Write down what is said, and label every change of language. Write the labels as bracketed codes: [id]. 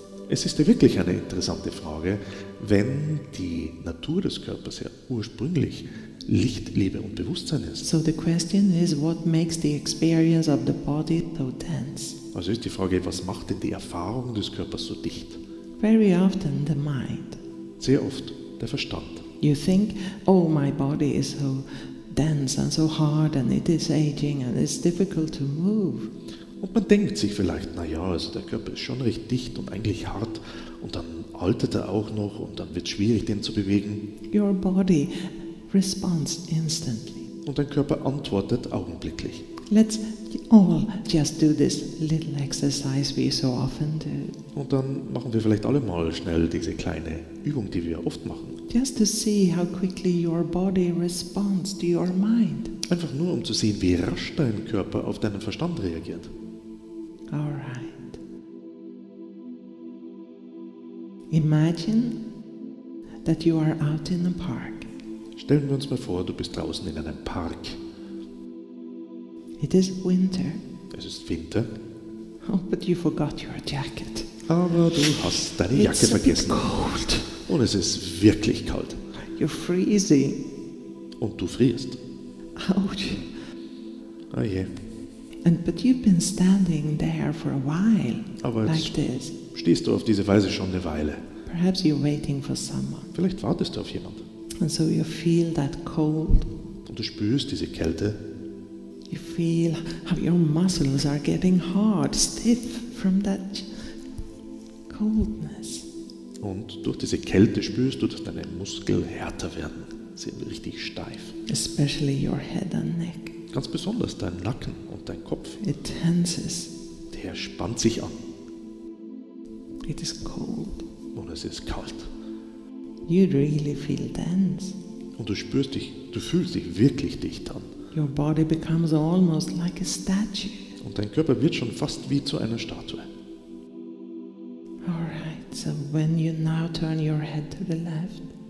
[de] Es ist wirklich eine interessante Frage, wenn die Natur des Körpers ja ursprünglich Licht, Liebe und Bewusstsein ist. [en] So the question is, what makes the experience of the body so dense? [de] Also ist die Frage, was macht denn die Erfahrung des Körpers so dicht? [en] Very often the mind. [de] Sehr oft der Verstand. [en] You think, oh, my body is so dense and so hard and it is aging and it's difficult to move. [de] Und man denkt sich vielleicht, naja, also der Körper ist schon recht dicht und eigentlich hart und dann altert er auch noch und dann wird es schwierig, den zu bewegen. [en] Your body responds instantly. [de] Und dein Körper antwortet augenblicklich. [en] Let's all just do this little exercise we so often do. [de] Und dann machen wir vielleicht alle mal schnell diese kleine Übung, die wir oft machen. [en] Just to see how quickly your body responds to your mind. [de] Einfach nur, um zu sehen, wie rasch dein Körper auf deinen Verstand reagiert. [en] All right. Imagine that you are out in a park. [de] Stellen wir uns mal vor, du bist draußen in einem Park. [en] It is winter. [de] Es ist Winter. [en] Oh, but you forgot your jacket. [de] Aber du hast deine Jacke [en] It's [de] vergessen. [en] A bit cold. [de] Und es ist wirklich kalt. [en] You're freezing. [de] Und du frierst. [en] Ouch. [de] Oh je. [en] And but you've been standing there for a while. [de] Aber [en] like [de] jetzt [en] this. [de] Stehst du auf diese Weise schon eine Weile. [en] Perhaps you're waiting for someone. [de] Vielleicht wartest du auf jemand. [en] And so you feel that cold. [de] Und du spürst diese Kälte. [en] You feel how your muscles are getting hard, stiff from that coldness. [de] Und durch diese Kälte spürst du, dass deine Muskeln härter werden. Sie sind richtig steif. [en] Especially your head and neck. [de] Ganz besonders dein Nacken und dein Kopf. [en] It tenses. [de] Der spannt sich an. [en] It is cold. [de] Und es ist kalt. [en] You really feel dense. [de] Und du spürst dich, du fühlst dich wirklich dicht an. [en] Your body becomes almost like a statue. [de] Und dein Körper wird schon fast wie zu einer Statue. [en] All right, so when you now turn your head to the left.